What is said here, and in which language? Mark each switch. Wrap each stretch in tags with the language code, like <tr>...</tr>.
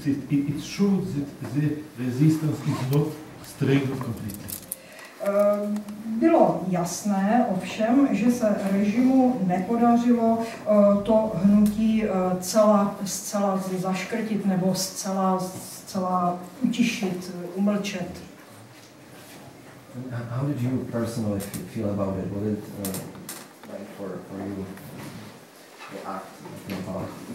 <en>It showed that the resistance is not strangled completely.</en> <cs>Bylo jasné ovšem, že se režimu nepodařilo to hnutí zcela zaškrtit nebo zcela utišit, umlčet.</cs> <en>How did you personally feel about it? Was it like for you the act of the power?</en>